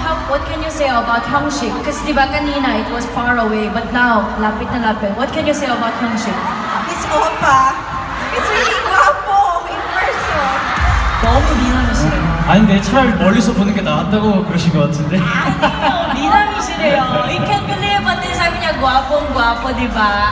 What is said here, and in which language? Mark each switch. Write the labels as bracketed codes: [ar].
[en] What can you say about Hyungshi? Because [tl] diba kanina [en] it was far away, but now [tl] lapit na lapit. [en] What can you say about Hyungshi? It's opa. It's really guapo in person. [ko] 너무 미남이시네요. 아니 내 차를 멀리서 보는 게 나았다고 그러신 것 같은데. 아니요 미남이시래요. [en] You can't believe but this I mean, guapo, guapo, [tl] diba?